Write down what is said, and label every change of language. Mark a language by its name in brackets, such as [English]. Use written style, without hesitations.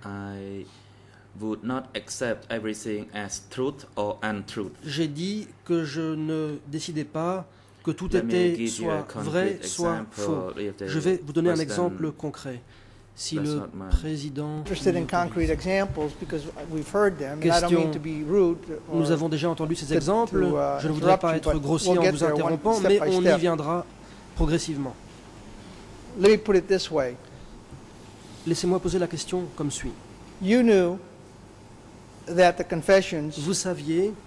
[English] I would not accept everything as truth or untruth. [French] J'ai dit que je ne décidais pas que tout était soit vrai, soit faux. Je vais vous donner un exemple concret. Si le président. [English] Interested in concrete examples because we've heard them. I don't mean to be rude. [French] Nous avons déjà entendu ces exemples. Je ne voudrais pas être grossier en vous interrompant, mais on y viendra progressivement. [English] Let me put it this way. [French] Laissez-moi poser la question comme suit. [English] You knew that the confessions [French] vous saviez